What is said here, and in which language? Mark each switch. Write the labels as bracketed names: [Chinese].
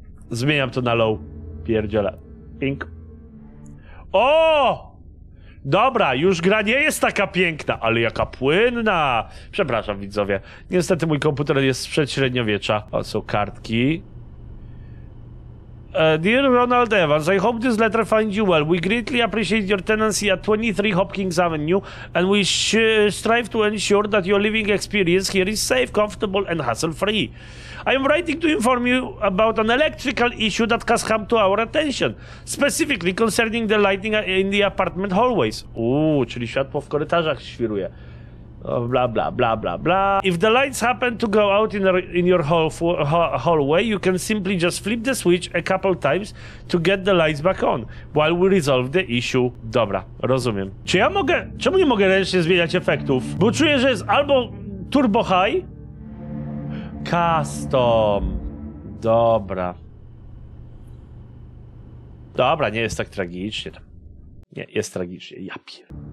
[Polish] Zmieniam to na low. Pierdziele. Pink. O! Dobra, już gra nie jest taka piękna, ale jaka płynna. Przepraszam, widzowie. Niestety mój komputer jest sprzed średniowiecza. O, są kartki. [English] Dear Ronald Evans, I hope this letter finds you well. We greatly appreciate your tenancy at 23 Hopkins Avenue and we strive to ensure that your living experience here is safe, comfortable and hassle-free. I am writing to inform you about an electrical issue that has come to our attention, specifically concerning the lighting in the apartment hallways. [Polish] Uuu, czyli światło w korytarzach świruje. Bla, bla, bla, bla, bla. [English] If the lights happen to go out in your hallway, you can simply just flip the switch a couple times to get the lights back on, while we resolve the issue. [Polish] Dobra, rozumiem. Czy ja mogę... Czemu nie mogę ręcznie zmieniać efektów? Bo czuję, że jest albo turbo high... Custom. Dobra. Dobra, nie jest tak tragicznie. Nie, jest tragicznie, ja pier...